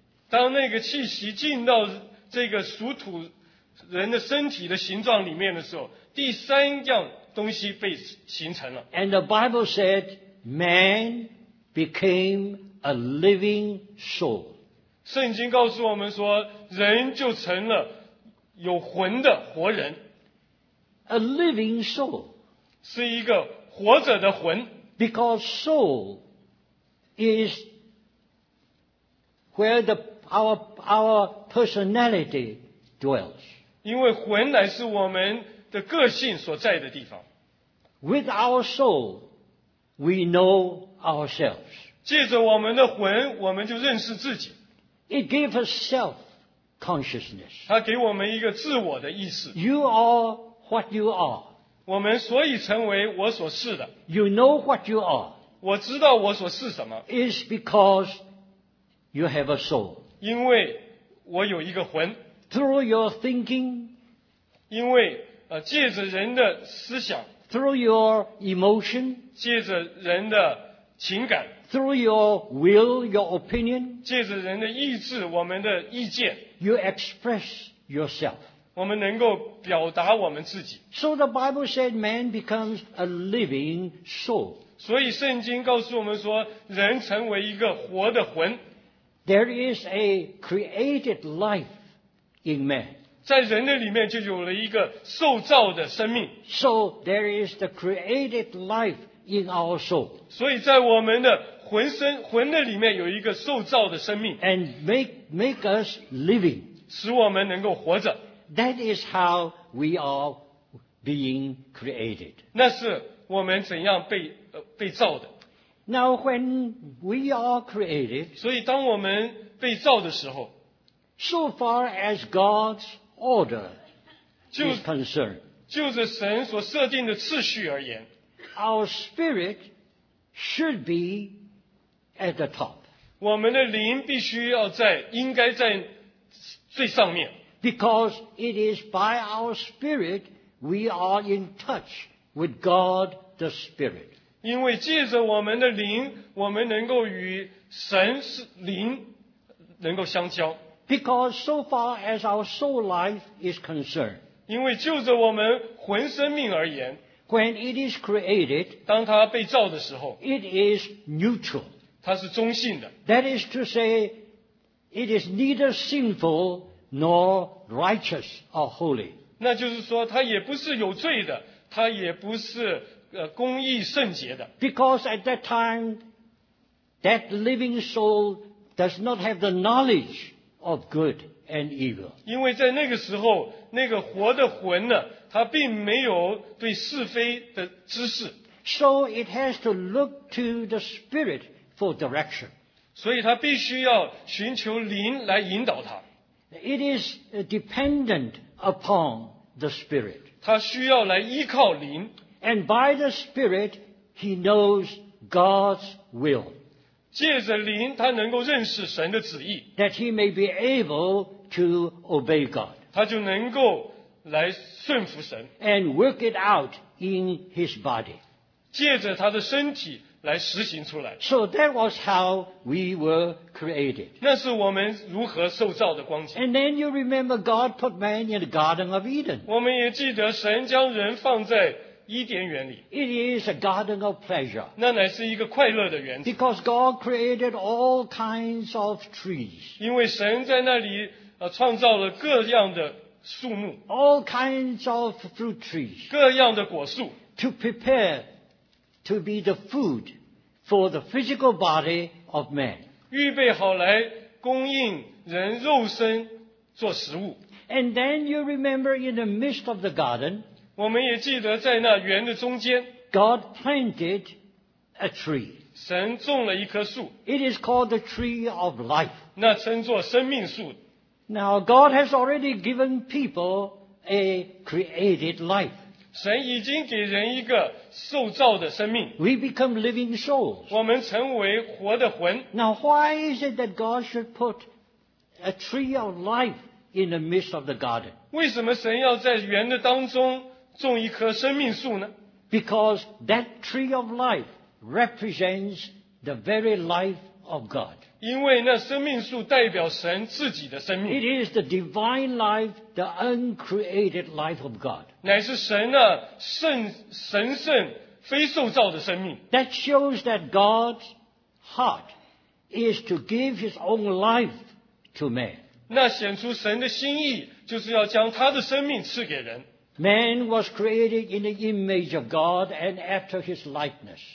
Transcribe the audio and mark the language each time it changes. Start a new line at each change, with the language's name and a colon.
Chinese: 当那个气息进到这个属土人的身体的形状里面的时候，第三样东西被形成了。
English: And the Bible said, man became a living soul.
Chinese: 圣经告诉我们说，人就成了有魂的活人。
English: A living soul.
Chinese: 是一个活着的魂。
English: Because soul is where our personality dwells.
Chinese: 因为魂乃是我们的个性所在的地方。
English: With our soul, we know ourselves.
Chinese: 借着我们的魂，我们就认识自己。
English: It gives us self-consciousness.
Chinese: 它给我们一个自我的意识。
English: You are what you are.
Chinese: 我们所以成为我所是的。
English: You know what you are.
Chinese: 我知道我所是什么。
English: Is because you have a soul.
Chinese: 因为我有一个魂。
English: Through your thinking.
Chinese: 因为借着人的思想。
English: Through your emotion.
Chinese: 借着人的情感。
English: Through your will, your opinion.
Chinese: 借着人的意志，我们的意见。
English: You express yourself.
Chinese: 我们能够表达我们自己。
English: So the Bible said man becomes a living soul.
Chinese: 所以圣经告诉我们说，人成为一个活的魂。
English: There is a created life in man.
Chinese: 在人的里面就有了一个受造的生命。
English: So there is the created life in our soul.
Chinese: 所以在我们的魂的里面有一个受造的生命。
English: And make us living.
Chinese: 使我们能够活着。
English: That is how we are being created.
Chinese: 那是我们怎样被造的。
English: Now when we are created,
Chinese: 所以当我们被造的时候，
English: so far as God's order is concerned,
Chinese: 就是神所设定的次序而言，
English: our spirit should be at the top.
Chinese: 我们的灵必须要在应该在最上面。
English: Because it is by our spirit we are in touch with God the Spirit.
Chinese: 因为借着我们的灵，我们能够与神灵能够相交。
English: Because so far as our soul life is concerned,
Chinese: 因为就着我们魂生命而言，
English: when it is created,
Chinese: 当它被造的时候，
English: it is neutral,
Chinese: 它是中性的。
English: That is to say, it is neither sinful nor righteous or holy.
Chinese: 那就是说，它也不是有罪的，它也不是公义圣洁的。
English: Because at that time, that living soul does not have the knowledge. Of good and evil.
Chinese: 因为在那个时候，那个活的魂呢，它并没有对是非的知识。
English: So it has to look to the spirit for direction.
Chinese: 所以它必须要寻求灵来引导它。
English: It is dependent upon the spirit.
Chinese: 它需要来依靠灵。
English: And by the spirit, he knows God's will.
Chinese: 借着灵他能够认识神的旨意
English: that he may be able to obey God
Chinese: 他就能够来顺服神
English: and work it out in his body
Chinese: 借着他的身体来实行出来
English: so that was how we were created
Chinese: 那是我们如何受造的光景
English: and then you remember God put man in the Garden of Eden
Chinese: 我们也记得神将人放在
English: It is a garden of pleasure.
Chinese: 那乃是一个快乐的园子。
English: Because God created all kinds of trees.
Chinese: 因为神在那里创造了各样的树木。
English: All kinds of fruit trees.
Chinese: 各样的果树。
English: To prepare to be the food for the physical body of man.
Chinese: 预备好来供应人肉身做食物。
English: And then you remember in the midst of the garden,
Chinese: 我们也记得在那园的中间
English: God planted a tree.
Chinese: 神种了一棵树
English: It is called the tree of life.
Chinese: 那称作生命树
English: Now God has already given people a created life.
Chinese: 神已经给人一个受造的生命
English: We become living souls.
Chinese: 我们成为活的魂
English: Now why is it that God should put a tree of life in the midst of the garden?
Chinese: 为什么神要在园的当中种一棵生命树呢?
English: Because that tree of life represents the very life of God.
Chinese: 因为那生命树代表神自己的生命。
English: It is the divine life, the uncreated life of God.
Chinese: 乃是神那神圣非受造的生命。
English: That shows that God's heart is to give his own life to man.
Chinese: 那显出神的心意就是要将他的生命赐给人。
English: Man was created in the image of God and after his likeness.